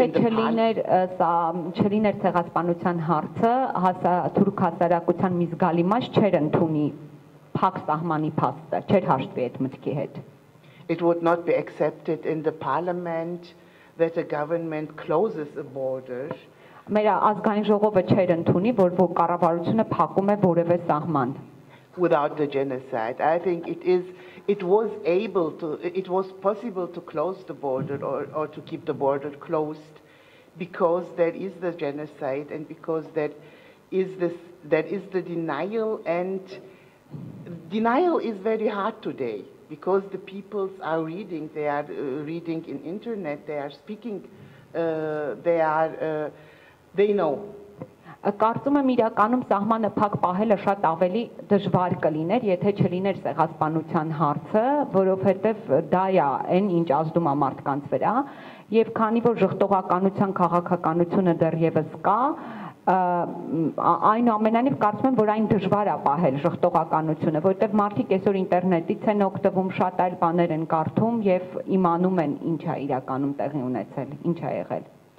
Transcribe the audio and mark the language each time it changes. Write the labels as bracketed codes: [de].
[hy] Եթե չլիներ սա չլիներ ցեղասպանության հարցը, հասա թուրք հասարակության մի զգալի մաս չեր ընդունի փակ սահմանի փաստը, չեր հաշվի այդ մտքի հետ. [en] It would not be accepted in the parliament that a government closes a border. [hy] Մեր ազգային ժողովը չեր ընդունի, որ կառավարությունը փակում է որևէ սահման. [en] Without the genocide, I think it was possible to close the border or to keep the border closed because there is the genocide and because there is the denial, and denial is very hard today because the peoples are reading, they are reading in internet, they are speaking, they know. [hy] Կարծում եմ իրականում սահմանը փակ պահելը շատ ավելի դժվար կլիներ, եթե չլիներ ցեղասպանության հարցը, որովհետև դա է այն, ինչ ազդում է մարդկանց վրա, եւ քանի որ ժխտողականության քաղաքականությունը դեռևս կա, այն ամենանիվ կարծում եմ, որ այն դժվար է պահել ժխտողականությունը, որովհետև մարդիկ այսօր ինտերնետից են օգտվում, շատ այլ բաներ են կարդում եւ իմանում են ինչ է իրականում տեղի ունեցել, ինչ է եղել։